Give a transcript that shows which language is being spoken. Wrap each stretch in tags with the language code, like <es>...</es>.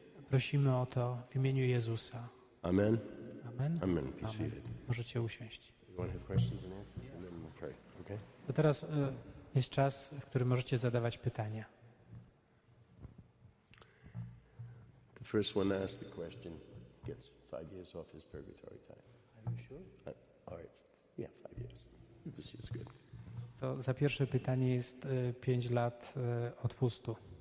<pl>Prosimy o to w imieniu Jezusa. Amen. Amen.</pl> <en>Amen. Be seated.</en> <pl>Możecie usiąść.</pl> <en>You want to have questions and answers, and then we'll pray. Okay?</en> <pl>To teraz jest czas, w którym możecie zadawać pytania.</pl> <en>The first one asks the question gets 5 years off his purgatory time. Are you sure? All right. Yeah, 5 years. This is good.</en> <pl>To za pierwsze pytanie jest 5 lat odpustu.</pl>